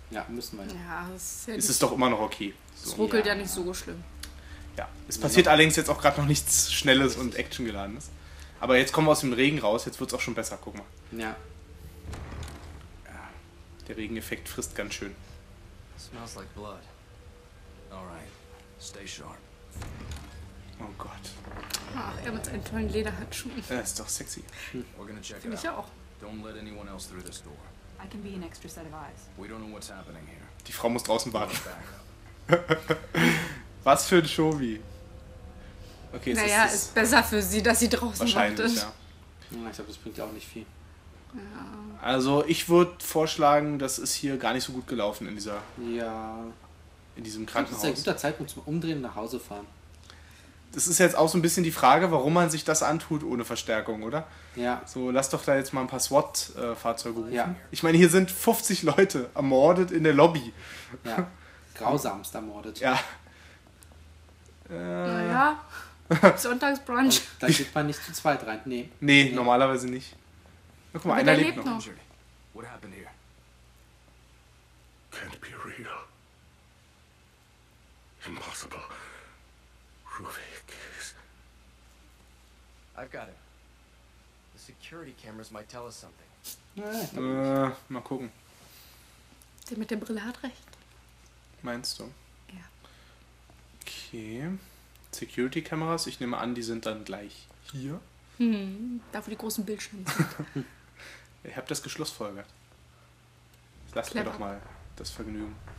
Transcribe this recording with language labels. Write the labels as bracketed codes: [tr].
[de] Ja, müssen wir. Ja, das ist ja ist es doch immer noch okay. Es so. Ruckelt ja nicht so schlimm. Ja, es passiert allerdings jetzt auch gerade noch nichts Schnelles und Actiongeladenes. Aber jetzt kommen wir aus dem Regen raus, jetzt wird es auch schon besser, guck mal. Ja. Der Regeneffekt frisst ganz schön. [en] It smells like blood. Alright. Stay sharp. [de] Oh Gott. Ach, er mit seinen tollen Lederhandschuhen. Er ist doch sexy. [en] We're gonna check Find it ich out. Auch. Don't let anyone else through this door. I can be an extra set of eyes. We don't know what's happening here. [de] Die Frau muss draußen warten. Was für ein Shobi. Okay, naja, ist besser für sie, dass sie draußen wartet. Wahrscheinlich, ja. Ich glaube, das bringt ja auch nicht viel. Ja. Also ich würde vorschlagen, das ist hier gar nicht so gut gelaufen in dieser. Ja. In diesem Krankenhaus. Das ist ein guter Zeitpunkt zum Umdrehen und nach Hause fahren. Das ist jetzt auch so ein bisschen die Frage, warum man sich das antut ohne Verstärkung, oder? Ja. So, lass doch da jetzt mal ein paar SWAT-Fahrzeuge rufen. Ja. Ich meine, hier sind 50 Leute ermordet in der Lobby. Ja. Grausamst ermordet. Ja. Naja. Sonntagsbrunch. Da geht man nicht zu zweit rein. Nee. Nee, nee. Normalerweise nicht. Guck mal, einer lebt noch. [en] What happened here? Can't be real. Impossible. Rubik is. I've got it. The security cameras might tell us something. [de] Mal gucken. Der mit der Brille hat recht. Meinst du? Ja. Okay. Security Kameras, ich nehme an, die sind dann gleich hier. Da wo die großen Bildschirme sind. Ich hab das geschlussfolgert. Lass mir doch mal das Vergnügen.